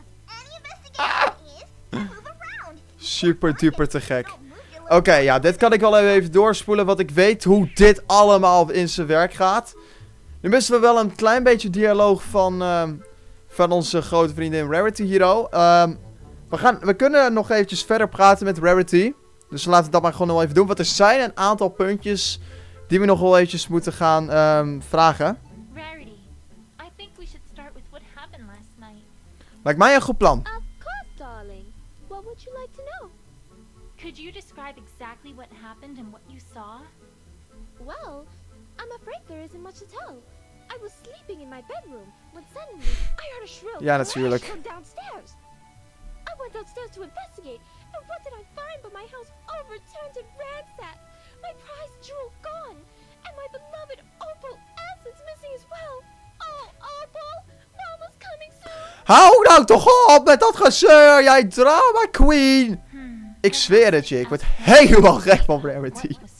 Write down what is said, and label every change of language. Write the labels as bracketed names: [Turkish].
[English] Any investigation is, move around. [Dutch] Super duper te gek. Oké, ja, dit kan ik wel even doorspoelen, want ik weet hoe dit allemaal in zijn werk gaat. Nu missen we wel een klein beetje dialoog van, van onze grote vriendin Rarity Hero. We kunnen nog eventjes verder praten met Rarity. Dus laten we dat maar gewoon nog even doen. Want er zijn een aantal puntjes die we nog wel eventjes moeten gaan vragen. [English] Rarity, I think we should start with what happened last night. [Dutch] Lijkt mij een goed plan. [English] Of course, darling. What would you like to know? Could you describe exactly what happened and what you saw? Well, I'm afraid there isn't much to tell. I was sleeping in my bedroom when suddenly I heard a shrill crash from downstairs. I went downstairs to investigate, and what did I find but my house overturned and ransacked, my prized jewel gone, and my beloved Opal essence missing as well. Oh, Opal, Mama's coming soon. [Dutch] Hou nou toch op met dat gezeur, jij drama queen. Ik zweer het je, ik word helemaal gek van Rarity.